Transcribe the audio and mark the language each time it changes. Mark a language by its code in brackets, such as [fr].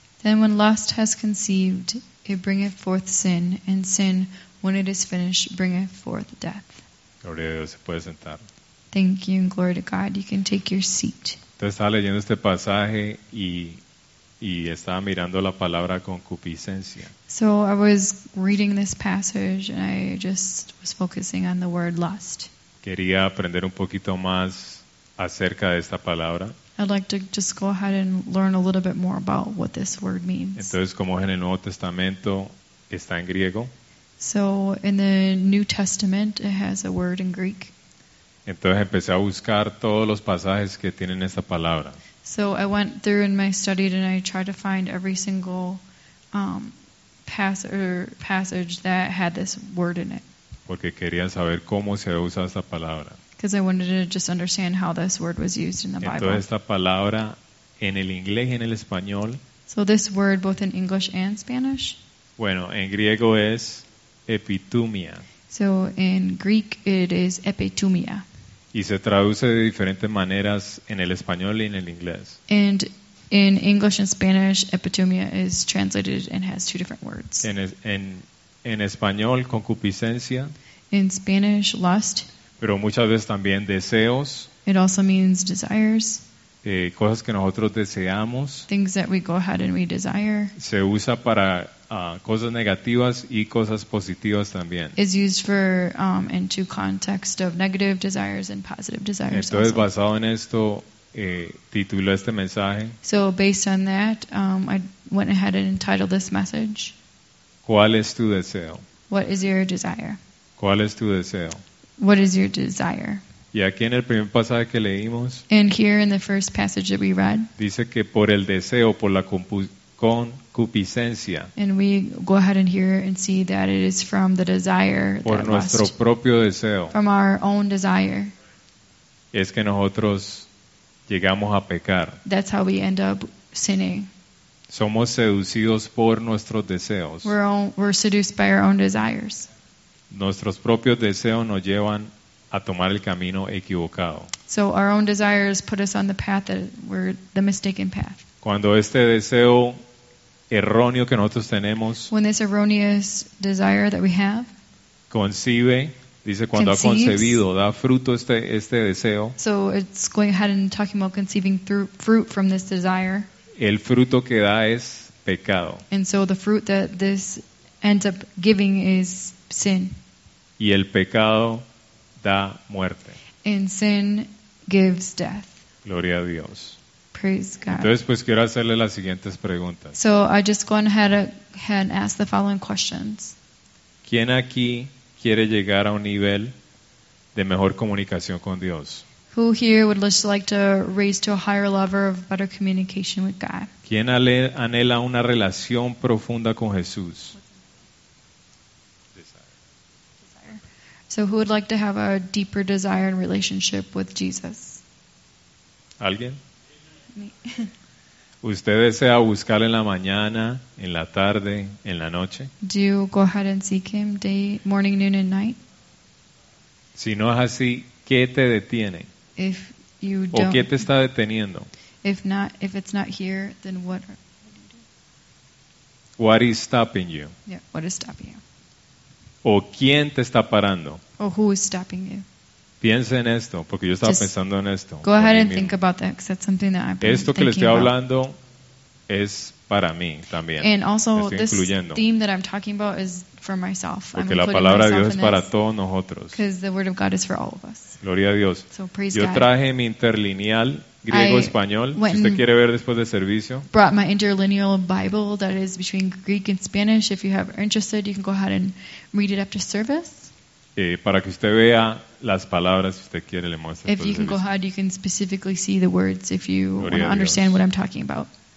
[en] Then when lust has conceived it bringeth forth sin and sin when it is finished bringeth forth death. [es] Gloria a Dios, se puede sentar. [en] Thank you and glory to God. You can take your seat. [es] Entonces estaba leyendo este pasaje y estaba mirando la palabra concupiscencia. [en] So I was reading this passage and I just was focusing on the word lust. [es] Quería aprender un poquito más acerca de esta palabra. [en] I'd like to just go ahead and learn a little bit more about what this word means. [es] Entonces, como es en el Nuevo Testamento, está en griego. [en] So in the New Testament, it has a word in Greek. [es] Entonces empecé a buscar todos los pasajes que tienen esta palabra. [en] So I went through and I studied and I tried to find every single passage that had this word in it. [es] Porque quería saber cómo se usa esta palabra. [en] Because I wanted to just understand how this word was used in the [es] Entonces, [en] Bible. [es] Esta palabra en el inglés y en el español. [en] So this word both in English and Spanish. [es] Bueno, en griego es epitumia. [en] So in Greek it is epitumia. [es] Y se traduce de diferentes maneras en el español y en el inglés. [en] And in English and Spanish, epitumia is translated and has two different words. [es] En español, concupiscencia. [en] In Spanish, lust. [es] Pero muchas veces también deseos. [en] It also means desires. [es] Cosas que nosotros deseamos. [en] Things that we go ahead and we desire. [es] Se usa para cosas negativas y cosas positivas también. [en] Is used for into context of negative desires and positive desires. [es] Entonces [en] also. [es] Basado en esto titulé este mensaje. [en] So based on that, I went ahead and entitled this message. [es] ¿Cuál es tu deseo? [en] What is your desire? [es] ¿Cuál es tu deseo? [en] What is your desire? [es] Y aquí en el primer pasaje que leímos. [en] And here in the first passage that we read. [es] Dice que por el deseo, por la concupiscencia. [en] And we go ahead and hear and see that it is from the desire. [es] Por [en] that [es] nuestro [en] lust, [es] propio deseo. [en] From our own desire. [es] es que nosotros llegamos a pecar. [en] That's how we end up sinning. [es] Somos seducidos por nuestros deseos. [en] We're seduced by our own desires. [es] Nuestros propios deseos nos llevan a tomar el camino equivocado. [en] So our own desires put us on the path that we're the mistaken path. [es] Cuando este deseo erróneo que nosotros tenemos, [en] when this erroneous desire that we have, [es] concibe, dice cuando ha concebido, da fruto este deseo. [en] So it's going ahead and talking about conceiving through fruit from this desire. [es] El fruto que da es pecado. [en] And so the fruit that this ends up giving is sin. [es] Y el pecado da muerte. [en] And sin gives death. [es] Gloria a Dios. [en] Praise God. [es] Entonces, pues quiero hacerle las siguientes preguntas. [en] So I just go ahead and ask the following questions. [es] ¿Quién aquí quiere llegar a un nivel de mejor comunicación con Dios? [en] Who here would like to raise to a higher level of better communication with God? [es] ¿Quién anhela una relación profunda con Jesús? [en] So who would like to have a deeper desire and relationship with Jesus? [es] ¿Alguien? [en] Me. [es] ¿Usted desea buscar en la mañana, en la tarde, en la noche? [en] Do you go ahead and seek him day, morning, noon, and night? [es] Si no es así, ¿qué te detiene? [en] If you don't, [es] ¿o qué te está deteniendo? [en] If not, if it's not here, then what do you do? What is stopping you? Yeah, what is stopping you? [es] ¿O quién te está parando? [en] Or who is stopping you? [es] Piensa en esto, porque yo estaba just pensando en esto. [en] Go ahead and think about that, because that's something that I've been thinking [es] about. Esto que le estoy hablando es para mí también. [en] And also, this theme that I'm talking about is for myself. [es] Porque la palabra de Dios es para todos nosotros. [en] Because the word of God is for all of us. [es] Gloria a Dios. [en] So praise God. [es] Yo traje mi interlineal griego-español, si usted quiere ver después del servicio. [en] Brought my interlineal Bible that is between Greek and Spanish. If you have interested, you can go ahead and read it after service. [es] Para que usted vea las palabras, si usted quiere, le muestro. [en] If you can go ahead, you can specifically see the words if you want to understand what I'm talking about.